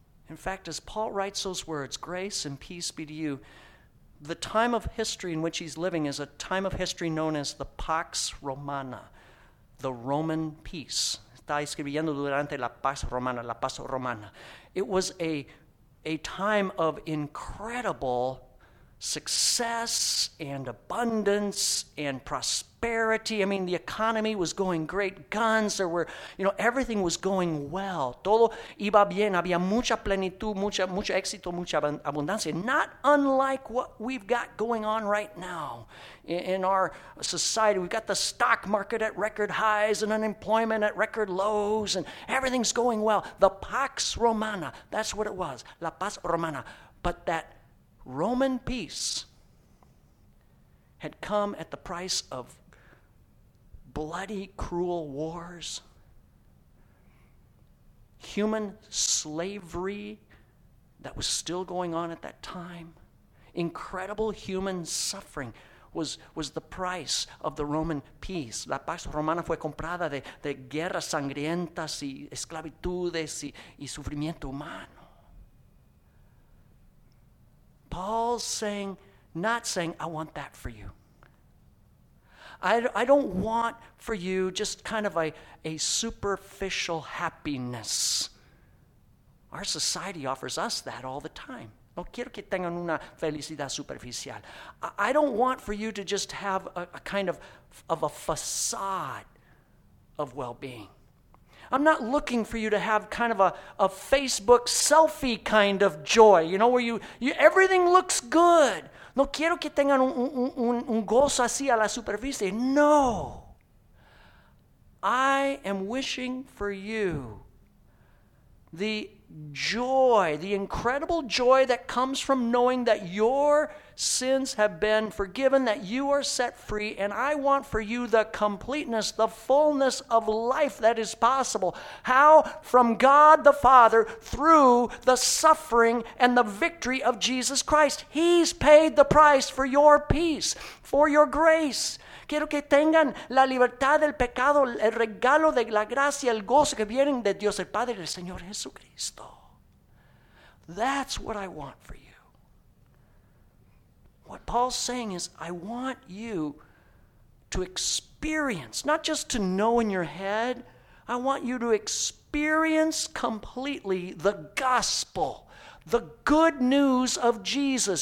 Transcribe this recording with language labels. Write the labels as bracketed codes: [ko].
[en] In fact, as Paul writes those words, grace and peace be to you, the time of history in which he's living is a time of history known as the Pax Romana, the Roman peace. [es] Está escribiendo durante la Pax Romana, la Pax Romana. [en] It was a time of incredible success and abundance and prosperity. I mean, the economy was going great. Guns, there were, you know, everything was going well. [es] Todo iba bien. Había mucha plenitud, mucho éxito, mucha abundancia. [en] Not unlike what we've got going on right now in our society. We've got the stock market at record highs and unemployment at record lows and everything's going well. The Pax Romana, that's what it was. La Paz Romana. But that Roman peace had come at the price of bloody, cruel wars, human slavery that was still going on at that time, incredible human suffering was the price of the Roman peace. [es] La Pax Romana fue comprada de guerras sangrientas y esclavitudes y sufrimiento humano. [en] Paul's saying, not saying, I want that for you. I don't want for you just kind of a superficial happiness. Our society offers us that all the time. [es] No quiero que tengan una felicidad superficial. [en] I don't want for you to just have a kind of a facade of well-being. I'm not looking for you to have kind of a Facebook selfie kind of joy, you know, where you everything looks good. [es] No quiero que tengan un gozo así a la superficie. No. [en] I am wishing for you the joy, the incredible joy that comes from knowing that your sins have been forgiven, that you are set free, and I want for you the completeness, the fullness of life that is possible. How? From God the Father through the suffering and the victory of Jesus Christ. He's paid the price for your peace, for your grace. [es] Quiero que tengan la libertad del pecado, el regalo de la gracia, el gozo que vienen de Dios el Padre y del Señor Jesucristo. [en] That's what I want for you. What Paul's saying is, I want you to experience, not just to know in your head, I want you to experience completely the gospel, the good news of Jesus.